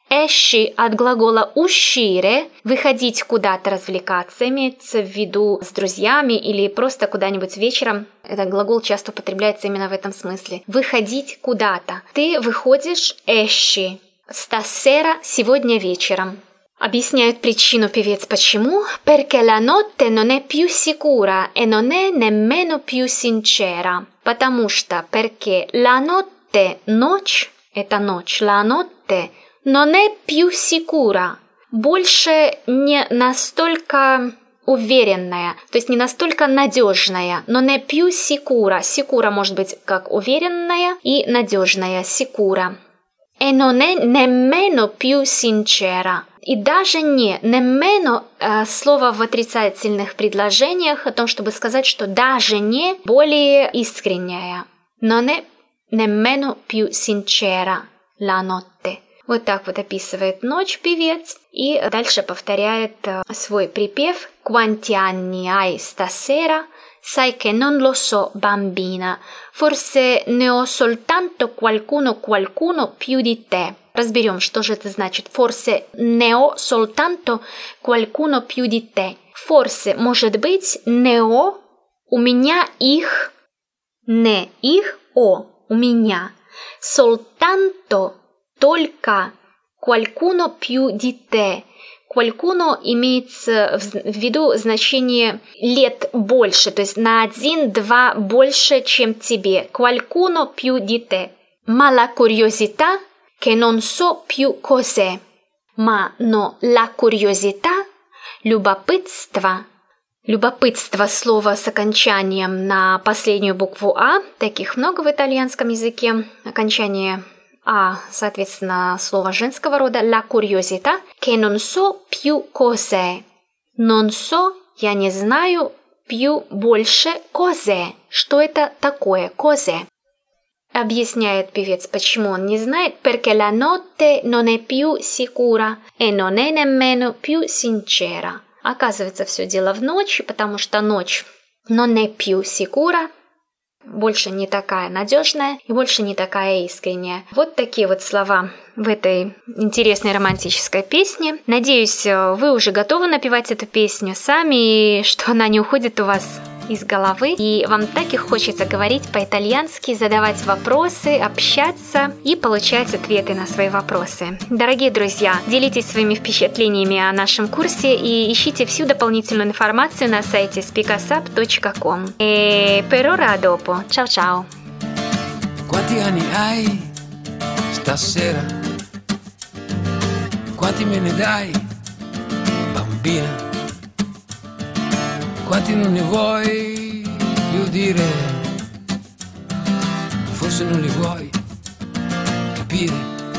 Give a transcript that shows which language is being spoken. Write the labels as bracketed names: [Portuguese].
[Russian] «Эши» – от глагола «ушире» – «выходить куда-то, развлекаться», имеется в виду с друзьями или просто куда-нибудь вечером. Этот глагол часто употребляется именно в этом смысле. «Выходить куда-то». «Ты выходишь, эши» – «стасера» – «сегодня вечером». Объясняют причину певец почему. [Italian] «Perché la notte non è più sicura e non è nemmeno più sincera». [Russian] Потому что [Italian] «perché la notte» [Russian] – «ночь» – это «ночь», «la notte» – [Italian] «Non è più sicura» [Russian] – больше не настолько уверенная, то есть не настолько надежная. [Italian] «Non è più sicura» [Russian] – «sicura» может быть как уверенная и надежная – «sicura». [Italian] «E non è nemmeno più sincera» [Russian] – и даже не «nemmeno» – слово в отрицательных предложениях о том, чтобы сказать, что «даже не» – более искренняя. [Italian] «Non è nemmeno più sincera» – «la notte». [Russian] Вот так вот описывает ночь певец. И дальше повторяет свой припев. [Italian] «Quanti anni hai stasera? Sai che non lo so, bambina. Forse ne ho soltanto qualcuno, qualcuno più di te». [Russian] Разберем, что же это значит. [Italian] «Forse ne ho soltanto qualcuno più di te». [Russian] «Forse» – «может быть», «ne ho» – «у меня их». «Ne» – «их», «о» – «у меня». [Italian] «Soltanto» – «только», «qualcuno più di te». [Russian] «Qualcuno» имеется в виду значение «лет больше», то есть на 1-2 больше, чем тебе. [Italian] «Qualcuno più di te». «Ma la curiosità che non so più cos'è». «Ma, но, la curiosità» – «любопытство». [Russian] «Любопытство» – слово с окончанием на последнюю букву «а». Таких много в итальянском языке. Окончание «а», соответственно, слово женского рода [Italian] «la curiosità» «che non so più cos'è». [Russian] «Non so» – «я не знаю», «più» – «больше», «cos'è» – «что это такое», «cos'è». Объясняет певец, почему он не знает. [Italian] «Perché la notte non è più sicura e non è nemmeno più sincera». [Russian] Оказывается, все дело в ночи, потому что ночь [Italian] «non è più sicura» [Russian] больше не такая надежная и больше не такая искренняя. Вот такие вот слова в этой интересной романтической песне. Надеюсь, вы уже готовы напевать эту песню сами, и что она не уходит у вас из головы. И вам так и хочется говорить по-итальянски, задавать вопросы, общаться и получать ответы на свои вопросы. Дорогие друзья, делитесь своими впечатлениями о нашем курсе и ищите всю дополнительную информацию на сайте speakusup.com. [Italian] E per ora a dopo. Ciao, ciao! Quanti anni hai stasera? quanti me ne dai, bambina? Quanti non ne vuoi più dire? Forse non li vuoi capire.